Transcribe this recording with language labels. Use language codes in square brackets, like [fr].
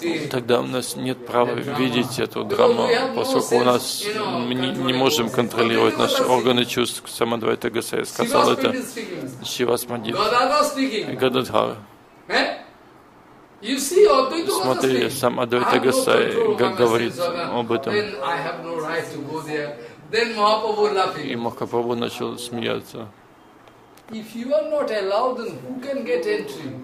[ru] Тогда у нас нет права видеть эту драму, поскольку у нас не можем контролировать наши органы чувств. Сам Адвайта Гасай сказал это. Шивасмади. Гададхар. [en] You see, Advaita Gosai. [ru] Смотри, сам Адвайта Гасай говорит об этом. [en] Then I have no right to go there. Then Махапрабху laughing. [ru] И Махапрабху начал смеяться. [en] If you are not allowed, then who can get entry?